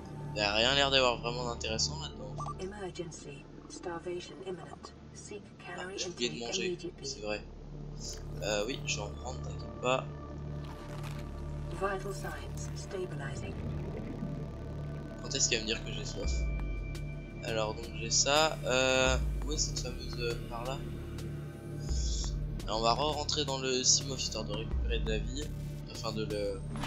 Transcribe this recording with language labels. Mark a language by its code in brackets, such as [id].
[fr] Il n'y a rien l'air d'avoir vraiment d'intéressant là-dedans. [en] Emergency. Starvation imminent. Seek calorie intake. [fr] J'ai oublié de manger, c'est vrai. Oui, je vais en prendre, t'inquiète pas. [en] Vital signs stabilizing. [fr] Quand est-ce qu'il va me dire que j'ai soif? Alors donc j'ai ça, où est cette fameuse par là? Alors, on va re-rentrer dans le Simov histoire de récupérer de la vie, enfin de le...